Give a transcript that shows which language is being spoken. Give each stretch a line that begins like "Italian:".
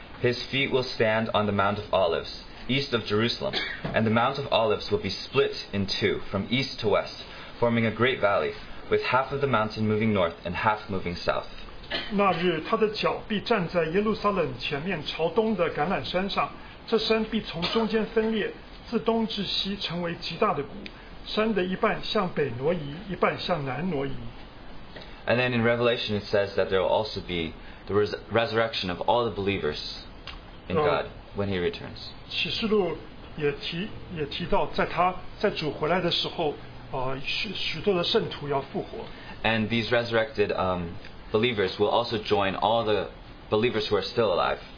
English: His feet will stand on the Mount of Olives, east of Jerusalem, and the Mount of Olives will be split in two, from east to west, forming a great valley, with half of the mountain moving north and half moving south.
Chinese: 那日他的脚必站在耶路撒冷前面朝东的橄榄山上，这山必从中间分裂，自东至西成为极大的谷，山的一半向北挪移，一半向南挪移。
English: And then in Revelation it says that there will also be the resurrection of all the believers in God when He returns.
Chinese: 启示录也提到在主回来的时候
English: And these resurrected believers will also join all the believers who are still alive.